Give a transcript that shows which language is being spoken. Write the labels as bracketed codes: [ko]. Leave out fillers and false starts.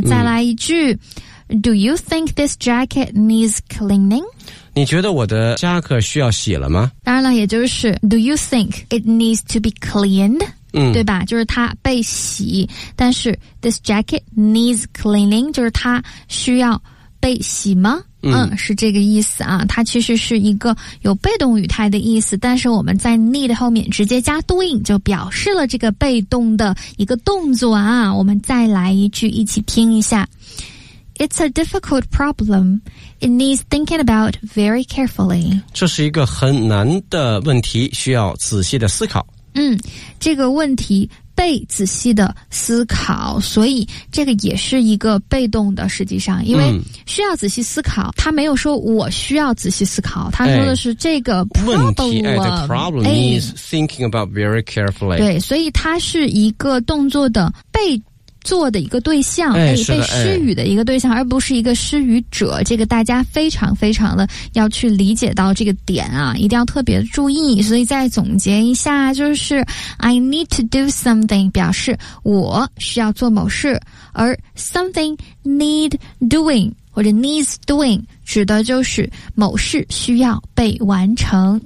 [zh] 再来一句、 [en] 嗯、，Do you think this jacket needs cleaning？ [zh] 你觉得我的夹克需要洗了吗？当然了，也就是 [en] Do you think it needs to be cleaned？嗯， [zh] 对吧？就是它被洗，但是 [en] this jacket needs cleaning， [zh] 就是它需要被洗吗？嗯，是这个意思啊。它其实是一个有被动语态的意思，但是我们在 need 后面直接加 doing， 就表示了这个被动的一个动作啊。我们再来一句，一起听一下。 [en] It's a difficult problem. It needs thinking about very carefully. [zh] 这是一个很难的问题，需要仔细的思考。嗯，这个问题被仔细的思考，所以这个也是一个被动的，实际上因为需要仔细思考、嗯、他没有说我需要仔细思考，他说的是这个 problem、 [en] 哎、 [zh] 问题、 [en] 哎、the problem needs thinking about very carefully。 [zh] 对，所以它是一个动作的被做的一个对象，哎，被施予的一个对象，而不是一个施予者。这个大家非常非常的要去理解到这个点啊，一定要特别注意。所以再总结一下，就是 [en] I need to do something [zh] 表示我需要做某事，而 [en] something need doing [zh] 或者 needs doing 指的就是某事需要被完成。